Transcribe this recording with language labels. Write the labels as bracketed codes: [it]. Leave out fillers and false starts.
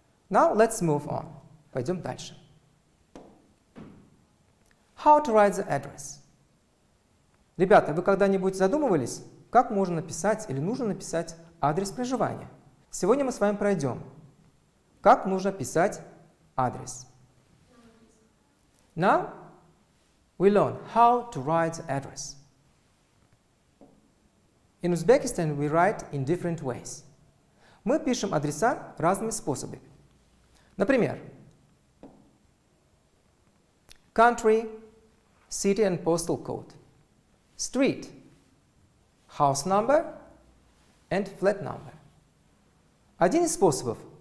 [en] Now let's move on. [ru] Пойдем дальше. [en] How to write the address? [ru] Ребята, вы когда-нибудь задумывались, как можно написать или нужно написать адрес проживания? Сегодня мы с вами пройдем. Как нужно писать адрес? [en] Now we learn how to write the address. In Uzbekistan we write in different ways. [ru] Мы пишем адреса разными способами. Например, [en] country, city and postal code, street, house number and flat number. [ru] Один из способов.